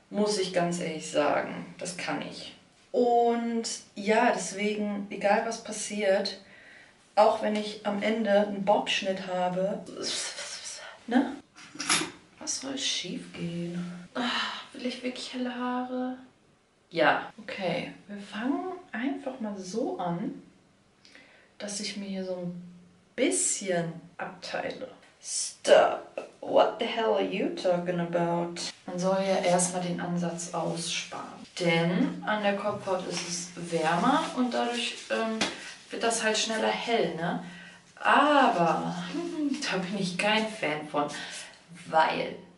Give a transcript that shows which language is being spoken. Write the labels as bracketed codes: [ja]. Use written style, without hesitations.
[de] Muss ich ganz ehrlich sagen. Das kann ich. Und ja, deswegen, egal was passiert, auch wenn ich am Ende einen Bobschnitt habe, ne? Was soll schief gehen? Will ich wirklich helle Haare? Ja. Okay, wir fangen einfach mal so an, dass ich mir hier so ein bisschen abteile. [en] Stop. What the hell are you talking about? [de] Man soll ja erstmal den Ansatz aussparen. Denn an der Kopfhaut ist es wärmer und dadurch wird das halt schneller hell, ne? Aber da bin ich kein Fan von, weil...